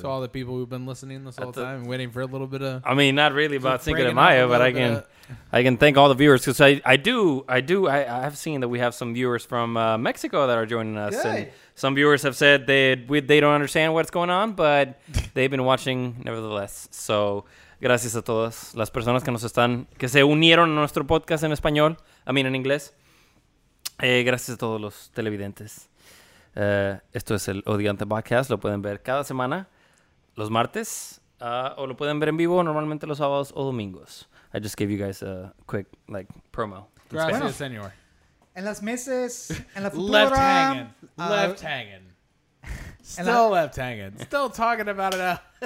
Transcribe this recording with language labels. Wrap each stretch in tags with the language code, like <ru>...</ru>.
<en>To all the people who've been listening this whole time, waiting for a little bit of... I mean, not really about Cinco de Mayo, but I can thank all the viewers. Because I have seen that we have some viewers from Mexico that are joining us. Good. And some viewers have said they don't understand what's going on, but they've been watching nevertheless. So...</en> <es>Gracias a todas las personas que nos están, que se unieron a nuestro podcast en español,</es> <en>I mean</en> <es>en inglés. Gracias a todos los televidentes. Esto es el Odiante Podcast, lo pueden ver cada semana, los martes, o lo pueden ver en vivo normalmente los sábados o domingos.</es> <en>I just gave you guys a quick, like, promo.</en> <es>Gracias, bueno, señor. En las meses, en la futura...</es> <en>Left hanging, left hanging. Still left hanging, still talking about it.</en>